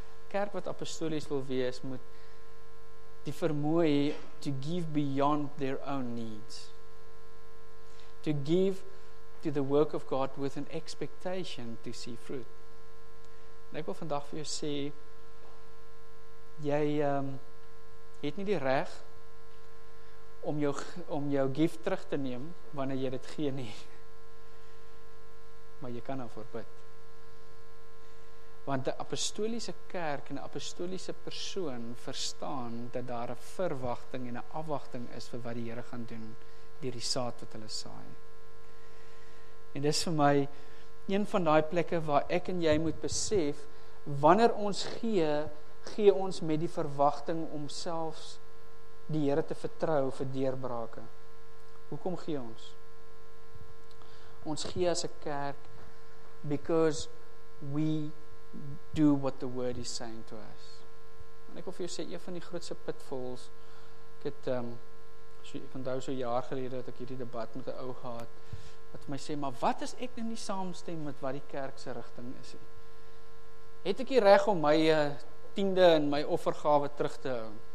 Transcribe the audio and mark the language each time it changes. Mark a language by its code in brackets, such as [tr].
[af] Kerk wat apostolies wil wees, moet die vermoë hê [en] to give beyond their own needs, to give to the work of God with an expectation to see fruit. [af] En ek wil vandag vir jou sê, jy het nie die reg om jou gift terug te neem wanneer jy dit gee nie. Maar jy kan dan voorbid. Want 'n apostoliese kerk en 'n apostoliese persoon verstaan dat daar 'n verwagting en 'n afwagting is vir wat die Here gaan doen deur die saad wat hulle saai. En dis vir my een van daai plekke waar ek en jy moet besef, wanneer ons gee, gee ons met die verwagting om selfs die Here te vertrou vir deurbrake. Hoekom gee ons? Ons gee as 'n kerk [en] because we do what the word is saying to us. [af] En ek wil vir jou sê, een van die grootste pitfalls, ek onthou so 'n jaar gelede dat ek hierdie debat met 'n ou gehad, wat my sê, maar wat is ek nou nie saamstem met wat die kerk se rigting is nie? Het ek die reg om my tiende en my offergawe terug te hou?